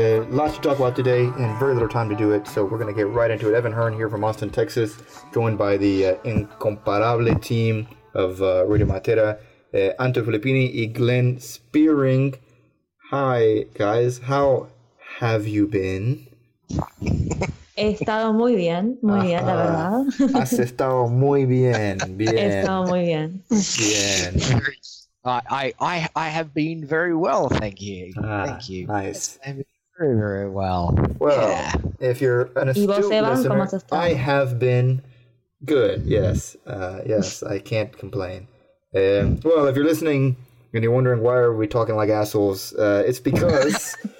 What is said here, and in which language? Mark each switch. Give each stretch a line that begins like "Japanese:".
English: Lots to talk about today and very little time to do it, so we're going to get right into it. Evan Hearn here from Austin, Texas, joined by the incomparable team of Radio Matera, Anto Filippini and Glenn Spearing. Hi, guys. How have you been?
Spanish: He estado muy bien, la verdad. Has estado muy bien, He estado muy bien. Bien.
English: I have been very well, thank you. Thank you. Nice. I've been very, very well. Well, yeah. If you're an astute listener, I have been good, yes. Yes, I can't complain. Well, if you're listening and you're wondering why are we talking like assholes, it's because...